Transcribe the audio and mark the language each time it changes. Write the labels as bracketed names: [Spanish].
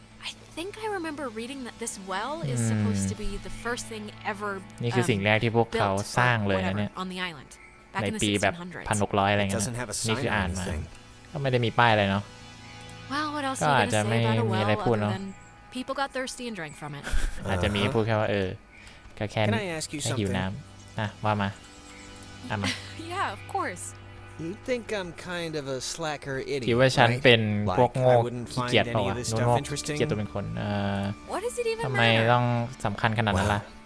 [English] I think I remember reading that this well is supposed to be the first thing ever. [Thai] นี่คือสิ่งแรกที่พวกเขาสร้างเลยนะเนี่ยในปีแบบ 1600 อะไรเงี้ยนี่คืออ่านมาก็ไม่ได้มีป้ายอะไรเนาะ [English] Well, what else are you gonna say about a well other than people got thirsty and drank from it? [Thai] อาจจะมีพูดแค่ว่าเออก็แค่แค่หิวน้ำนะว่ามาอ่ะมา [English] Yeah, of course. You think I'm kind of a slacker idiot? [Thai] คิดว่าฉันเป็นพวกโง่ขี้เกียจเปล่าโง่ขี้เกียจตัวเป็นคนทำไมต้องสำคัญขนาดนั้นล่ะ